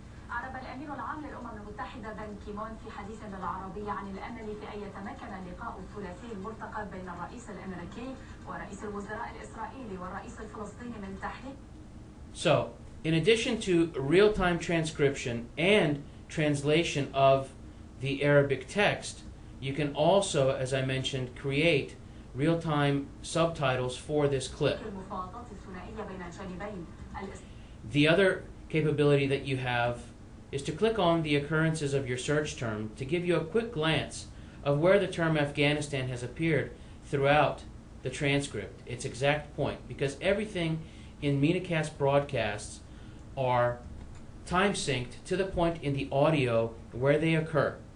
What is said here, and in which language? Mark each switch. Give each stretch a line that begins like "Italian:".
Arabic: أعرب الأمين العام للأمم المتحدة بان كيمون في حديث للعربية عن الأمل في أن يتمكن اللقاء الثلاثي المرتقب بين الرئيس الأمريكي ورئيس الوزراء الإسرائيلي والرئيس الفلسطيني من تحريك.
English: So, in addition to real-time transcription and translation of the Arabic text, you can also, as I mentioned, create real-time subtitles for this clip.
Arabic: المفاوضات الثنائية بين الجانبين.
English: The other capability that you have is to click on the occurrences of your search term to give you a quick glance of where the term Afghanistan has appeared throughout the transcript, its exact point, because everything in Menacast broadcasts are time synced to the point in the audio where they occur.